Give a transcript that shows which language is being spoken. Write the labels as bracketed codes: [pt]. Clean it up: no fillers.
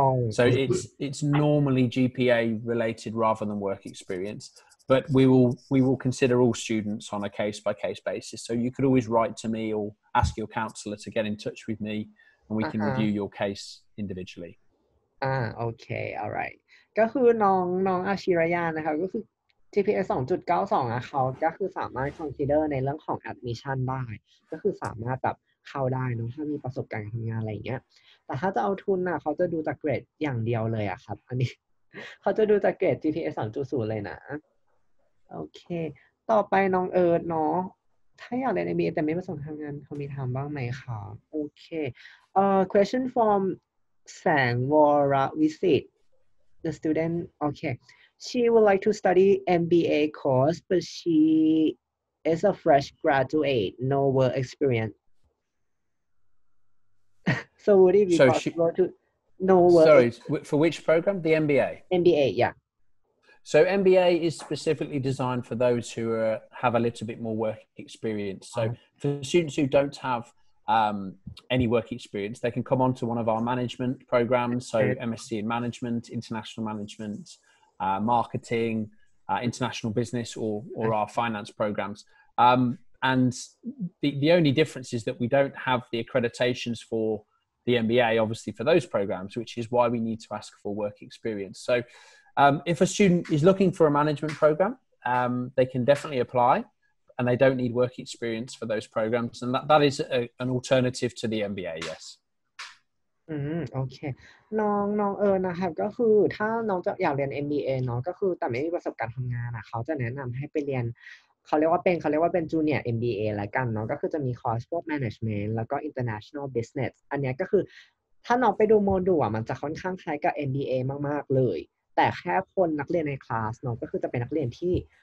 [en] So it's normally GPA related rather than work experience. But we will consider all students on a case by case basis. So you could always write to me or ask your counselor to get in touch with me, and we can review your case individually. Okay, all right. [th] ก็คือน้องน้องอาชิระยานะคะก็คือ GPA 2.92 อ่ะเขาก็คือสามารถ consider ในเรื่องของ admission ได้ก็คือสามารถแบบเข้าได้นะถ้ามีประสบการณ์ทำงานอะไรเงี้ยแต่ถ้าจะเอาทุนน่ะเขาจะดูจากเกรดอย่างเดียวเลยอ่ะครับอันนี้เขาจะดูจากเกรด GPA 2.0 เลยนะ โอเคต่อไปน้องเอิร์ธเนาะถ้าอยากเรียนในบีแต่ไม่ประสงค์ทำงานเขามีถามบ้างไหมคะโอเค [en] question from แสงวรวิสิต the student okay she would like to study MBA course but she is a fresh graduate no work experience so would it be possible to no work for which program the MBA MBA yeah So MBA is specifically designed for those who have a little bit more work experience. So for students who don't have any work experience, they can come on to one of our management programs. So MSc in management, international management, marketing, international business or our finance programs. And the only difference is that we don't have the accreditations for the MBA, obviously, for those programs, which is why we need to ask for work experience. So,if a student is looking for a management program, they can definitely apply and they don't need work experience for those programs. And that is an alternative to the MBA, yes. Okay. [th] น้องน้องเอิร์นนะครับก็คือถ้าน้องจะอยากเรียน MBA น้องก็คือแต่ไม่มีประสบการณ์ทำงานอ่ะเขาจะแนะนำให้ไปเรียนเขาเรียกว่าเป็น junior MBA ละกันน้องก็คือจะมีคอร์สพวก management แล้วก็ international business อันนี้ก็คือถ้าน้องไปดูโมดูลอ่ะมันจะค่อนข้างคล้ายกับ MBA มากๆเลยแต่แค่คนนักเรียนในคลาสเนาะก็คือจะเป็นนักเรียนที่